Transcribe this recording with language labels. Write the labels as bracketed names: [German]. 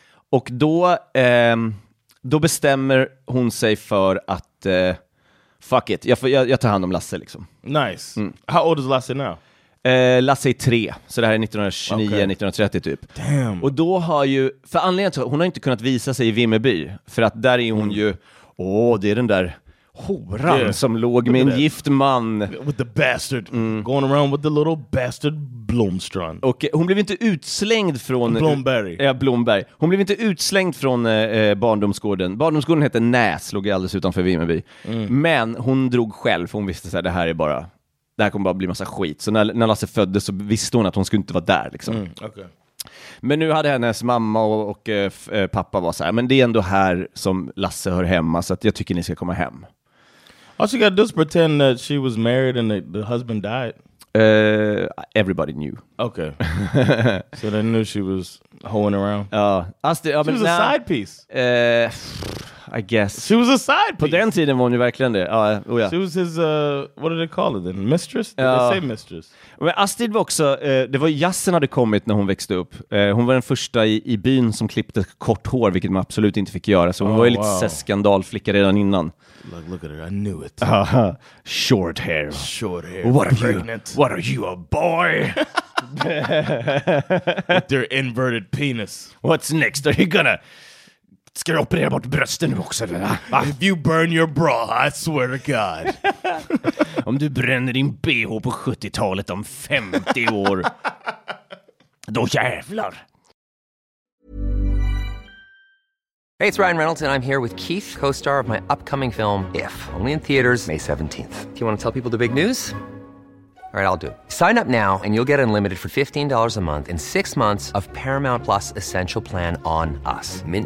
[Swedish] Och då bestämmer hon sig för att, [English] fuck it, [Swedish] jag tar hand om Lasse liksom. [English] Nice. How old is Lasse now? [Swedish] Lasse är 3, så det här är 1929-1930 typ. [English] Damn. [Swedish] Och då har ju, för anledningen till att hon har inte kunnat visa sig i Vimmerby, för att där är hon ju, det är den där horan som låg med en gift man. [English] With the bastard, going around with the little bastard Blomstrand. [Swedish] Och hon blev inte utslängd från... Blomberg. Ja, Blomberg. Hon blev inte utslängd från barndomsgården. Barndomsgården hette Näs, låg alldeles utanför Vimmerby. Men hon drog själv, för hon visste så här, det här är bara... Det här kommer bara bli massa skit. Så när Lasse föddes så visste hon att hon skulle inte vara där liksom. Okay. Men nu hade hennes mamma och pappa var så här, men det är ändå här som Lasse hör hemma, så att jag tycker ni ska komma hem. [English] All she got to do is pretend that she was married and the husband died. Everybody knew. Okay. So they knew she was hoeing around. She was a side piece. I guess. She was a side piece. [Swedish] På den tiden var hon ju verkligen det. [English] Oh, yeah. She was his, what did they call it then? Mistress? Did they say mistress? [Swedish] Men Astrid var också, det var jassen hade kommit när hon växte upp. Hon var den första i byn som klippte kort hår, vilket man absolut inte fick göra. Så hon var ju lite skandalflicka redan innan. [English] Look at her, I knew it. Short hair. Short hair. What are pregnant. You? What are you, a boy? With their inverted penis. What's next? Are you gonna... [Swedish] Ska jag operera bort brösten nu också? [English] If you burn your bra, I swear to God. [Swedish] Om du bränner din BH på 70-talet om 50 år, då jävlar. [English] Hey, it's Ryan Reynolds and I'm here with Keith, co-star of my upcoming film, If, only in theaters May 17th. Do you want to tell people the big news? All right, I'll do it. Sign up now and you'll get unlimited for $15 a month and 6 months of Paramount Plus Essential Plan on us.